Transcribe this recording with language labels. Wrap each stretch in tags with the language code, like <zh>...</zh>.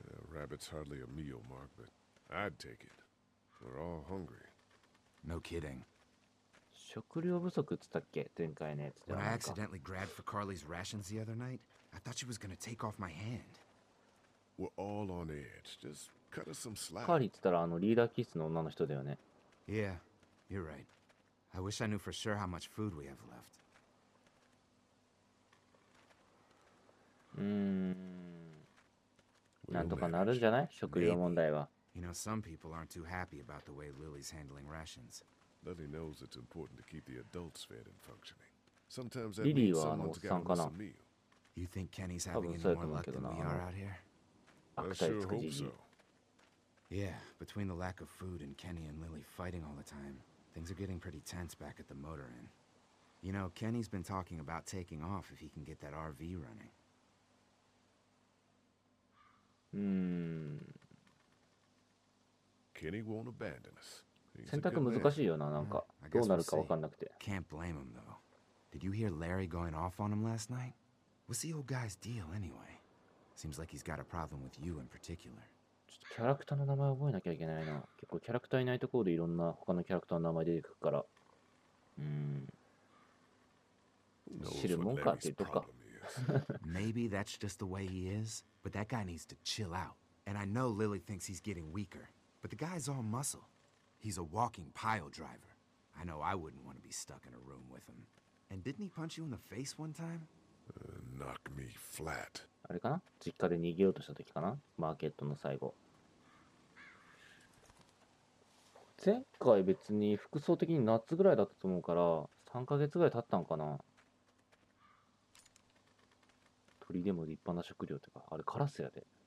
<en>Rabbit's hardly a meal, Mark, but I'd take it. We're all hungry. No kidding.</en> <ja>食料不足っつったっけ、前回ね。</ja> <en>When I Carly's rations the other night, I thought she was gonna take off my hand. We're all on edge. Just cut us some slack.</en> <ja>カーリーっつったら、あのリーダー気質の女の人だよね。</ja> <en>Yeah, you're right. I wish I knew for sure how much food we have left.</en> <ja>なんとかなるんじゃない? 食料問題は。</ja> <en>You know, some people aren't too happy about the way Lily's handling rations. Lily knows it's important to keep the adults fed and functioning. Sometimes that means someone's got a meal. You think Kenny's having any more luck than we are out here? I sure hope so. Yeah, between the lack of food and Kenny and Lily fighting all the time, things are getting pretty tense back at the motor inn. You know, Kenny's been talking about taking off if he can get that RV running. Kenny won't abandon us.</en> <ja>選択難しいよな、なんかどうなるか分かんなくて。</ja> <en>Can't blame him though. Did you hear Larry going off on him last night? What's the old guy's deal anyway? Seems like he's got a problem with you in particular.</en> <ja>ちょっとキャラクターの名前覚えなきゃいけないな。結構キャラクターいないところでいろんな他のキャラクターの名前出てくるから。知るもんかっていうとか。</ja> <en>Maybe that's just the way he is. But that guy needs to chill out. And I know Lily thinks he's getting weaker. But the guy's all muscle. He's a walking pile driver. I know I wouldn't want to be stuck in a room with him. And didn't he punch you in the face one time? Knock me flat.</en> <ja>あれかな? 実家で逃げようとした時かな?マーケットの最後。前回別に服装的に夏ぐらいだったと思うから、3ヶ月ぐらい経ったんかな? 鳥でも立派な食料とか、あれカラスやで。</ja>